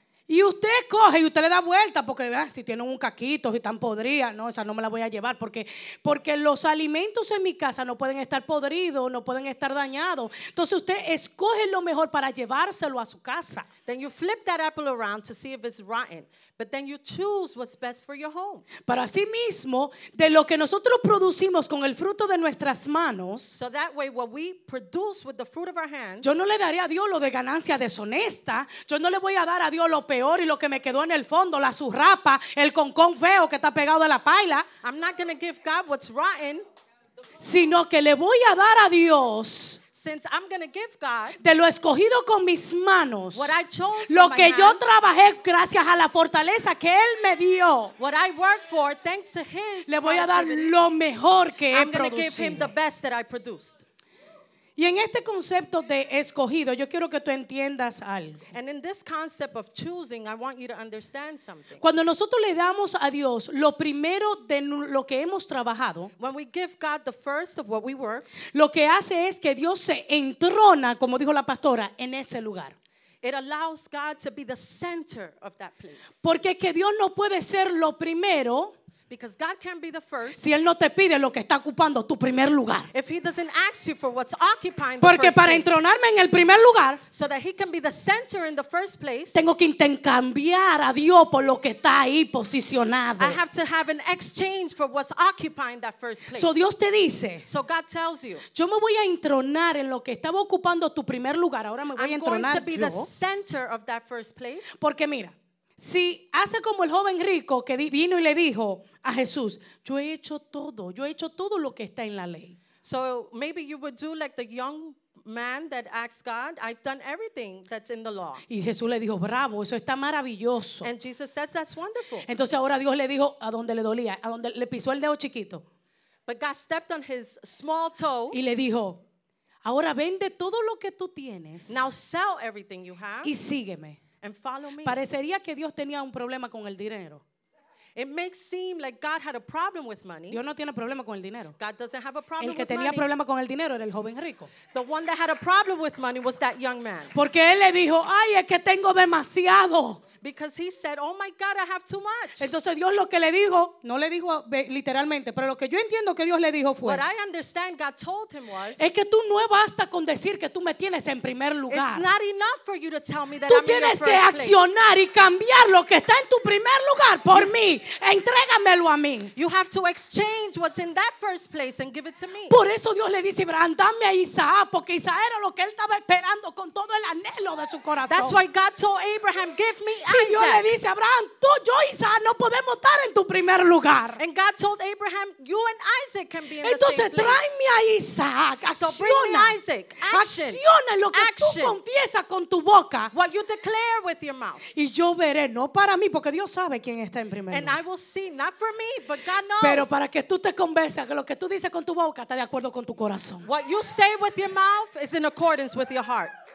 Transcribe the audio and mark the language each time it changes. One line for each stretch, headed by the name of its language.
Spanish: Y usted coge y usted le da vuelta porque si tienen un caquito, si están podridas, no, esa no me la voy a llevar porque los alimentos en mi casa no pueden estar podridos, no pueden estar dañados. Entonces usted escoge lo mejor para llevárselo a su casa.
English: Then you flip that apple around to see if it's rotten, but then you choose what's best for your home.
Spanish: Para sí mismo, de lo que nosotros producimos con el fruto de nuestras manos,
English: so that way what we produce with the fruit of our hands,
Spanish: yo no le daré a Dios lo de ganancia deshonesta, yo no le voy a dar a Dios lo peor y lo que me quedó en el fondo, la zurrapa, el concón feo que está pegado de la paila.
English: I'm not going to give God what's rotten,
Spanish: sino que le voy a dar a Dios,
English: since I'm going to give God,
Spanish: de lo escogido con mis manos,
English: what I chose,
Spanish: lo que
English: my
Spanish: yo
English: hands,
Spanish: trabajé gracias a la fortaleza que él me dio,
English: what I worked for thanks to his,
Spanish: le voy a dar lo mejor que
English: I'm he gonna
Spanish: producido.
English: Give him the best that I produced.
Spanish: Y en este concepto de escogido, yo quiero que tú entiendas algo.
English: And in this concept of choosing, I want you to understand something.
Spanish: Cuando nosotros le damos a Dios lo primero de lo que hemos trabajado,
English: when we give God the first of what we work,
Spanish: lo que hace es que Dios se entrona, como dijo la pastora, en ese lugar.
English: It allows God to be the center of that place.
Spanish: Porque que Dios no puede ser lo primero.
English: Because God can't be the first.
Spanish: Si él no te pide lo que está ocupando tu primer lugar.
English: If he doesn't ask you for what's occupying the
Spanish: porque
English: first
Spanish: para entronarme
English: place,
Spanish: en el primer lugar,
English: so that he can be the center in the first place,
Spanish: tengo que intercambiar a Dios por lo que está ahí posicionado.
English: I have to have an exchange for what's occupying that first place.
Spanish: So Dios te dice,
English: so God tells you,
Spanish: yo me voy a entronar en lo que estaba ocupando tu primer lugar. Ahora me voy
English: I'm
Spanish: a entronar
English: going to be
Spanish: yo,
English: the center of that first place.
Spanish: Porque mira, si hace como el joven rico que vino y le dijo a Jesús, yo he hecho todo lo que está en la ley.
English: So maybe you would do like the young man that asked God, I've done everything that's in the law.
Spanish: Y Jesús le dijo, bravo, eso está maravilloso.
English: And Jesus says, that's wonderful.
Spanish: Entonces ahora Dios le dijo a donde le dolía, a donde le pisó el dedo chiquito.
English: But God stepped on his small toe.
Spanish: Y le dijo, ahora vende todo lo que tú tienes.
English: Now sell everything you have.
Spanish: Y sígueme.
English: And follow me.
Spanish: Parecería que Dios tenía un problema con el dinero.
English: It makes seem like God had a problem with money.
Spanish: Dios no tiene problema con el dinero.
English: God doesn't have a problem with money.
Spanish: El que tenía problema con el dinero era el joven rico.
English: The one that had a problem with money was that young man.
Spanish: Porque él le dijo, ay, es que tengo demasiado.
English: Because he said, oh my God, I have too much.
Spanish: Entonces Dios lo que le dijo, no le dijo literalmente, pero lo que yo entiendo que Dios le dijo fue,
English: what I understand God told him was,
Spanish: es que tú no basta con decir que tú me tienes en primer lugar.
English: It's not enough for you to tell me that
Spanish: tú
English: I'm in first place.
Spanish: Tú tienes que accionar y cambiar lo que está en tu primer lugar por mí. Entrégamelo a mí.
English: You have to exchange what's in that first place and give it to me.
Spanish: Por eso Dios le dice, "Abraham, dame a Isaac", porque Isaac era lo que él estaba esperando con todo el anhelo de su corazón.
English: That's why God told Abraham, "Give me Isaac."
Spanish: Y Dios le dice, "Abraham, tú, yo y Isaac no podemos estar en tu primer lugar."
English: And God told Abraham, "You and Isaac can be in
Spanish: Entonces,
English: the same place."
Spanish: Entonces tráeme a Isaac.
English: So bring me Isaac. Action.
Spanish: Acciona lo que
English: Action.
Spanish: Tú confiesas con tu boca.
English: What you declare with your mouth.
Spanish: Y yo veré, no para mí, porque Dios sabe quién está en primer lugar.
English: And I will see, not for me, but God knows.
Spanish: Pero para que tú te convenzas que lo que tú dices con tu boca está de acuerdo con tu corazón.
English: What you say with your mouth is in accordance with your heart.